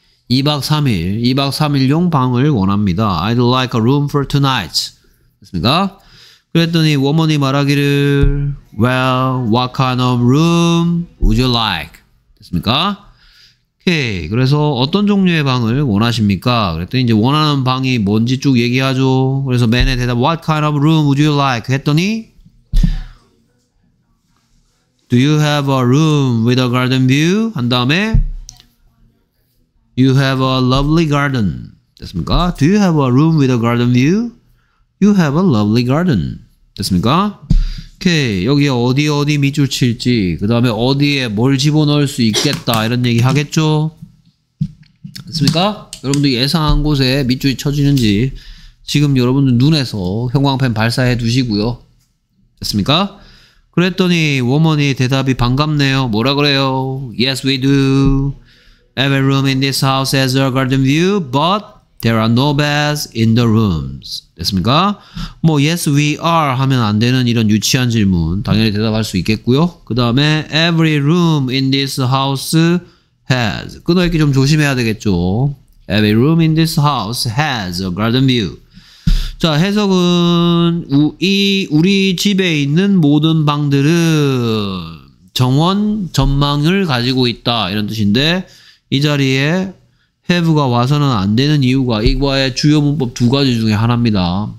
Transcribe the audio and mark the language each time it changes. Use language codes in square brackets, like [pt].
[ko] 2박 3일. 2박 3일용 방을 원합니다. [en] I'd like a room for tonight. [ko] 됐습니까? 그랬더니 워먼이 말하기를 [en] Well, what kind of room would you like? [ko] 됐습니까? 오케이. 그래서 어떤 종류의 방을 원하십니까? 그랬더니 이제 원하는 방이 뭔지 쭉 얘기하죠. 그래서 맨의 대답 [en] What kind of room would you like? [ko] 했더니 [en] Do you have a room with a garden view? [ko] 한 다음에 [en] You have a lovely garden. [ko] 됐습니까? [en] Do you have a room with a garden view? You have a lovely garden. [ko] 됐습니까? 오케이. 여기 어디 어디 밑줄 칠지 그 다음에 어디에 뭘 집어넣을 수 있겠다 이런 얘기 하겠죠? 됐습니까? 여러분들 예상한 곳에 밑줄이 쳐지는지 지금 여러분들 눈에서 형광펜 발사해 두시고요. 됐습니까? 그랬더니 워먼이 대답이 반갑네요. 뭐라 그래요? [en] Yes, we do. Every room in this house has a garden view, but there are no beds in the rooms. [ko] 됐습니까? 뭐 [en] yes, we are [ko] 하면 안 되는 이런 유치한 질문 당연히 대답할 수 있겠고요. 그 다음에 [en] every room in this house has [ko] 끊어 읽기 좀 조심해야 되겠죠. [en] Every room in this house has a garden view. [ko] 자, 해석은 우리 집에 있는 모든 방들은 정원 전망을 가지고 있다 이런 뜻인데 이 자리에 have가 와서는 안 되는 이유가 이거의 주요 문법 두 가지 중에 하나입니다.